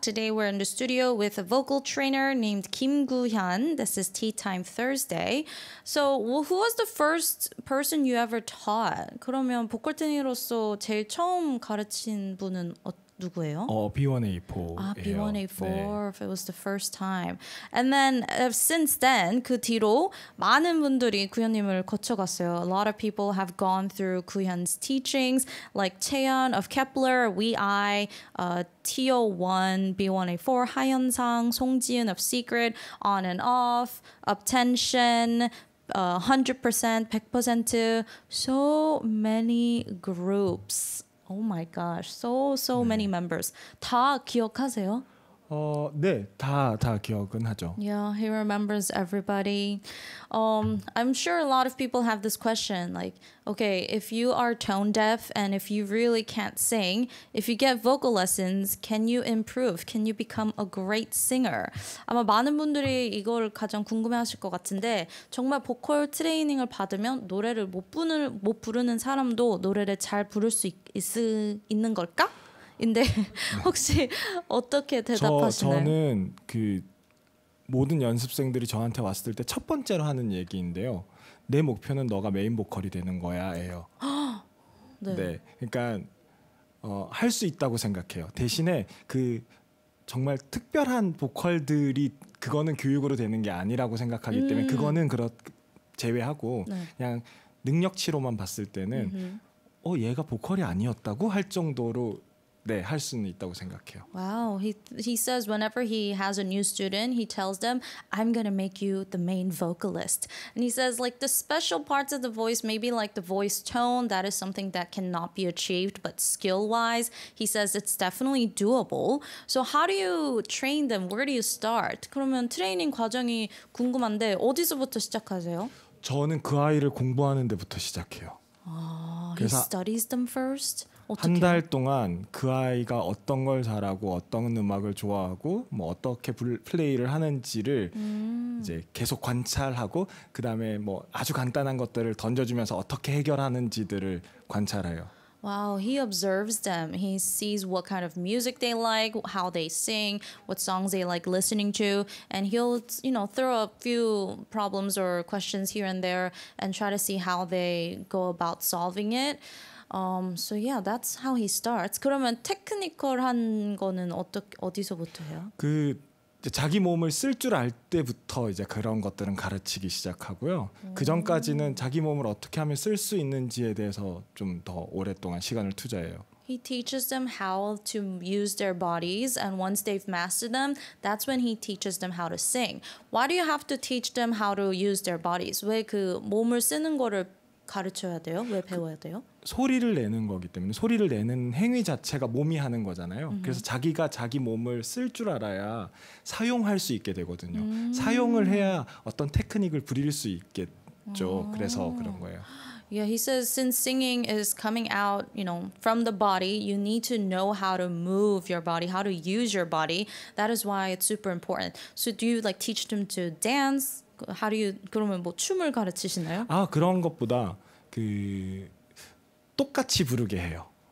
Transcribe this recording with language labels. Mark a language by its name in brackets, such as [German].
[English] Today we're in the studio with a vocal trainer named Kim Gu-hyun. This is Tea Time Thursday. So, well, who was the first person you ever taught? [Korean] 그러면 보컬 트레이너로서 제일 처음 가르친 분은 누구예요? B1A4. [English] 네. If it was the first time. And then since then, [Korean] 그 뒤로 많은 분들이 구현님을 거쳐갔어요. [English] A lot of people have gone through 구현's teachings, like 채연 of Kepler, Wei, TO1, B1A4, 하연상, 송지은 of Secret, On and Off, Uptension, 100%, 100%, so many groups. Oh my gosh, so 네. many members. [Korean] 다 기억하세요? 네, 다 기억은 하죠. [English] Yeah, he remembers everybody. I'm sure a lot of people have this question, like, okay, if you are tone deaf and if you really can't sing, if you get vocal lessons, can you improve? Can you become a great singer? [Korean] 아마 많은 분들이 이걸 가장 궁금해하실 것 같은데 정말 보컬 트레이닝을 받으면 노래를 못 부르는 사람도 노래를 잘 부를 수 있는 걸까? 인데 혹시 어떻게 대답하시나요? 저는 그 모든 연습생들이 저한테 왔을 때 첫 번째로 하는 얘기인데요. 내 목표는 너가 메인 보컬이 되는 거야예요. 네. 네. 그러니까 할 수 있다고 생각해요. 대신에 그 정말 특별한 보컬들이 그거는 교육으로 되는 게 아니라고 생각하기 때문에 그거는 그렇 제외하고 네. 그냥 능력치로만 봤을 때는 얘가 보컬이 아니었다고 할 정도로 네, 할 수는 있다고 생각해요. [English] Wow, he says whenever he has a new student, he tells them, I'm going to make you the main vocalist. And he says, like, the special parts of the voice, maybe like the voice tone, that is something that cannot be achieved. But skill-wise, he says it's definitely doable. So how do you train them? Where do you start? [Korean] 그러면 트레이닝 과정이 궁금한데 어디서부터 시작하세요? 저는 그 아이를 공부하는 데부터 시작해요. [English] He studies them first? [Korean] 한 달 동안 그 아이가 어떤 걸 잘하고 어떤 음악을 좋아하고 뭐 어떻게 플레이를 하는지를 이제 계속 관찰하고 그다음에 뭐 아주 간단한 것들을 던져주면서 어떻게 해결하는지들을 관찰해요. [English] Wow, he observes them. He sees what kind of music they like, how they sing, what songs they like listening to, and he'll, you know, throw a few problems or questions here and there and try to see how they go about solving it. So yeah, that's how he starts. [Korean] 그러면 테크니컬한 거는 어디서부터 해요? 그 이제 자기 몸을 쓸 줄 알 때부터 이제 그런 것들은 가르치기 시작하고요. 그 전까지는 자기 몸을 어떻게 하면 쓸 수 있는지에 대해서 좀 더 오랫동안 시간을 투자해요. [English] He teaches them how to use their bodies, and once they've mastered them, that's when he teaches them how to sing. Why do you have to teach them how to use their bodies? [Korean] 왜 그 몸을 쓰는 거를 가르쳐야 돼요? 왜 배워야 돼요? 소리를 내는 거기 때문에 소리를 내는 행위 자체가 몸이 하는 거잖아요. 그래서 자기가 자기 몸을 쓸 줄 알아야 사용할 수 있게 되거든요. 사용을 해야 어떤 테크닉을 부릴 수 있겠죠. 그래서 그런 거예요. [English] Yeah, he says since singing is coming out, you know, from the body, you need to know how to move your body, how to use your body. That is why it's super important. So do you like teach them to dance? How do you [Korean] 그러면 뭐 춤을 가르치시나요? 아, 그런 것보다 그 똑같이 부르게 해요.